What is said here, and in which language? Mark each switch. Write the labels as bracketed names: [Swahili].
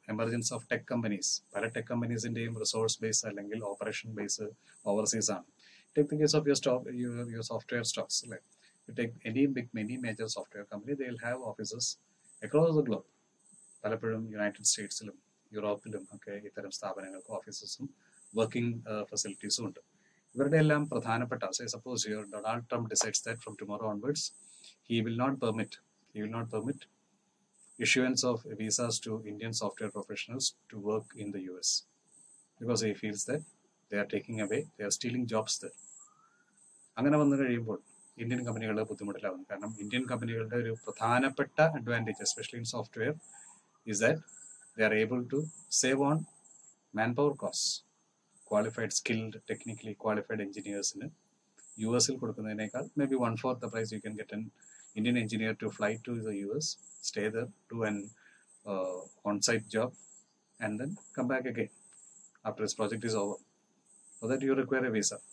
[English] Emergence of tech companies, പല tech കമ്പനീസിൻ്റെയും resource base അല്ലെങ്കിൽ ഓപ്പറേഷൻ ബേസ് ഓവർസീസ് ആണ്. Take the case of your software stocks അല്ലേ. You take any big many major software company, they will have offices across the globe. [Malayalam] പലപ്പോഴും United സ്റ്റേറ്റ്സിലും യൂറോപ്പിലും ഒക്കെ ഇത്തരം സ്ഥാപനങ്ങൾക്ക് ഓഫീസസും working ഫെസിലിറ്റീസും ഉണ്ട്. ഇവരുടെ എല്ലാം പ്രധാനപ്പെട്ട [English] Say suppose your Donald Trump decides that from tomorrow onwards he will not permit issuance of visas to Indian software professionals to work in the US because he feels that they are taking away, they are stealing jobs there. [Malayalam] Angana vannu kayumbol Indian കമ്പനികൾ ബുദ്ധിമുട്ടിലാകും. കാരണം Indian കമ്പനികളുടെ ഒരു പ്രധാനപ്പെട്ട [English] Advantage especially in software is that they are able to save on man power cost. Qualified skilled technically qualified എഞ്ചിനീയേഴ്സിന് യു എസിൽ കൊടുക്കുന്നതിനേക്കാൾ may be one fourth the price you can get an Indian engineer to fly to the U S stay there to an on site job and then come back again after this project is over. For that you require a visa.